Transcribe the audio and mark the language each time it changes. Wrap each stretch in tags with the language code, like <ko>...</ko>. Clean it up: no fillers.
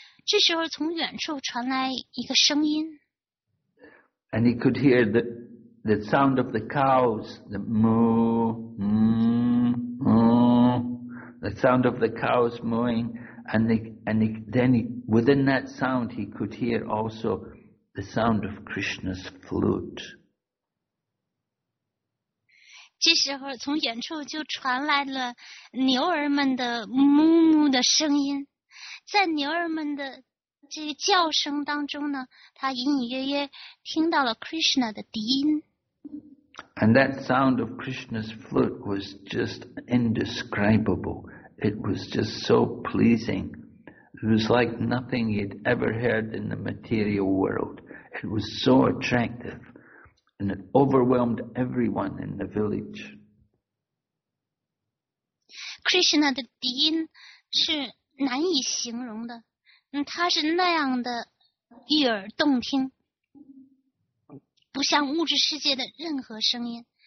<zh>这时候从远处传来一个声音。</zh> <en>And he could hear the sound of the cows, the moo, moo, moo, the sound of the cows mooing, within that sound he could hear also the sound of Krishna's flute.</en> <zh>这时候从远处就传来了牛儿们的moo moo的声音，在牛儿们的这个叫声当中呢，他隐隐约约听到了 Krishna 的笛音。</zh> <en>And that sound of Krishna's flute was just indescribable. It was just so pleasing. It was like nothing he'd ever heard in the material world. It was so attractive, and it overwhelmed everyone in the village.</en> <zh>Krishna 的低音是难以形容的，它是那样的悦耳动听，不像物质世界的任何声音。</zh>